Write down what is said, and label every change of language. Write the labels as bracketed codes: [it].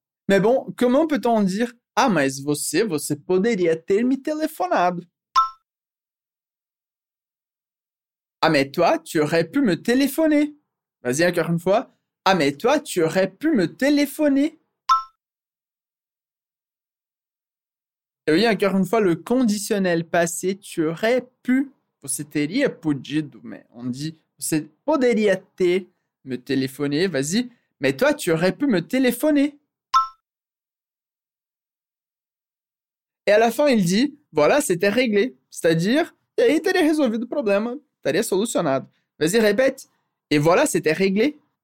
[fr] Mais bon, comment peut-on dire « [pt] Ah mas você poderia ter me telefonado. [fr] » Ah mais toi, tu aurais pu me téléphoner. Vas-y, encore une fois. Ah, mais toi, tu aurais pu me téléphoner. Et oui, encore une fois, le conditionnel passé, tu aurais pu. [pt] Você teria podido, [fr] mais on dit, [pt] você poderia ter me téléphoner. [fr] Vas-y. Mais toi, tu aurais pu me téléphoner. Et à la fin, il dit, voilà, c'était réglé. C'est-à-dire, et aí, t'aurais résolu le problème. T'aurais solucionado. Vas-y, répète. Et voilà, c'était réglé.